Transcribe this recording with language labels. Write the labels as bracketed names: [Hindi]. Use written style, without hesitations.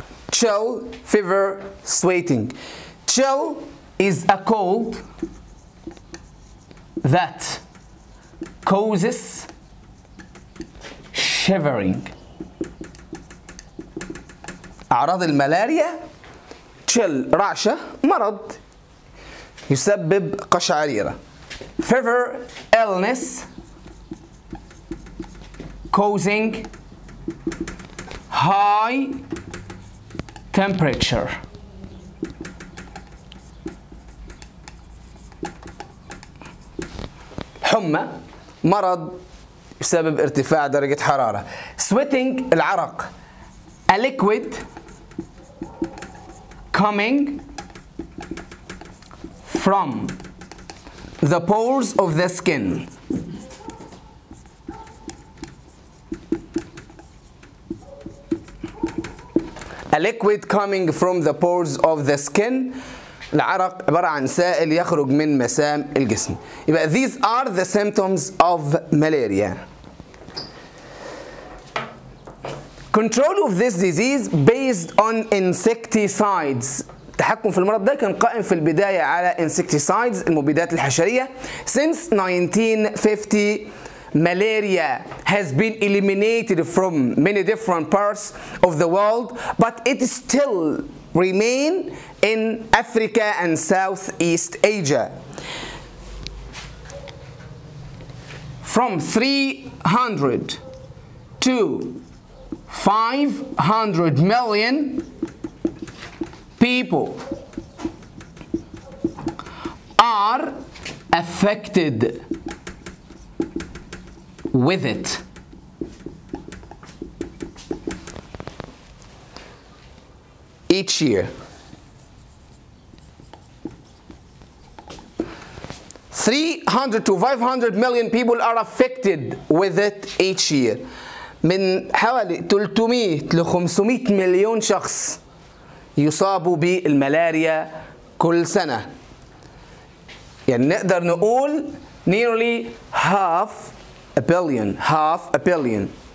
[English] Chill, fever, sweating. Chill is a cold that causes shivering. [Arabic] أعراض الملاريا: chill, رعشة, مرض يسبب قشعريرة. [English] Fever, illness causing high temperature. [Arabic] حمى, مرض يسبب ارتفاع درجة حرارة. [English] Sweating, العرق. A liquid coming from the pores of the skin. A liquid coming from the pores of the skin. [Arabic] العرق عبارة عن سائل يخرج من مسام الجسم. يبقى [English] these are the symptoms of malaria. Control of this disease based on insecticides. [Arabic] التحكم في المرض ده كان قائم في البداية على insecticides المبيدات الحشرية. [English] Since 1950 malaria has been eliminated from many different parts of the world, but it still remain in Africa and Southeast Asia. From 300 to 500 million people are affected with it. Each year, 300 to 500 million people are affected with it each year. [Arabic] من حوالي 300 ل 500 مليون شخص يصابوا بالملاريا كل سنة. يعني نقدر نقول [English] nearly half a billion, half a billion.